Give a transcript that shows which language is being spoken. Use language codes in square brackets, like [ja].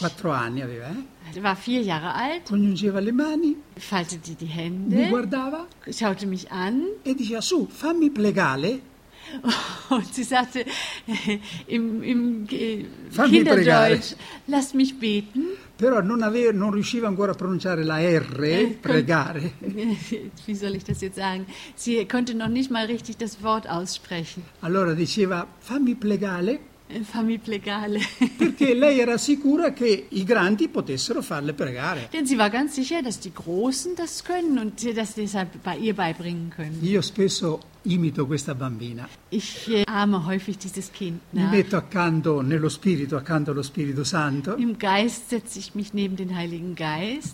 [it] 4 anni aveva, [de] War 4 Jahre alt. [it] Congiungeva le mani. [de] Faltete die Hände. [it] Mi guardava. [de] Schaute mich an. [it] E diceva, su, fammi plegare. [de] Und sie sagte im Kinderdeutsch, lass mich beten. [it] Però non riusciva ancora a pronunciare la R, pregare. [de] Wie soll ich das jetzt sagen? Sie konnte noch nicht mal richtig das Wort aussprechen. [it] Allora diceva, fammi plegare. Fammi plegare. Perché lei era sicura che i grandi potessero farle pregare. [de] Denn sie war ganz sicher, dass die Großen das können und sie das deshalb bei ihr beibringen können. [it] Io spesso imito questa bambina. [de] Ich amo häufig dieses Kind. [it] Mi metto accanto nello spirito, accanto allo Spirito Santo. [de] Im Geist setze ich mich neben den Heiligen Geist.